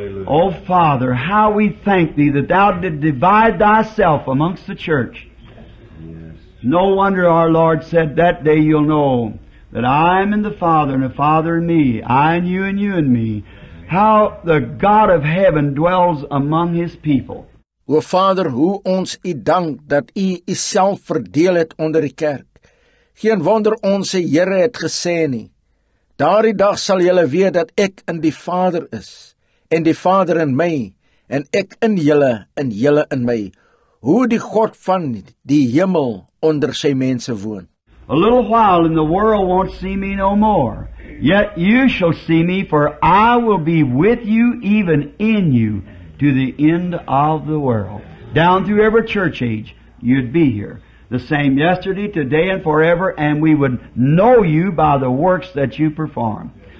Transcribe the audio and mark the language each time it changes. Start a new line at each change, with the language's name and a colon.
English: O Father, how we thank Thee that Thou did divide Thyself amongst the church. No wonder our Lord said, that day you'll know that I am in the Father, and the Father in me, I in you, and you in me, how the God of heaven dwells among His people.
Afrikaans: O Vader, hoe ons U dank, dat U U self verdeel het onder die kerk. Geen wonder onze Heere het gesê nie. Daar die dag sal julle weet, dat ek in die Vader is, en die Vader in my, en ek in julle, en julle in my. Hoe die God van die hemel onder sy mense woon.
English: A little while and the world won't see me no more. Yet you shall see me, for I will be with you, even in you, to the end of the world. Down through every church age, you'd be here. The same yesterday, today, and forever, and we would know you by the works that you perform.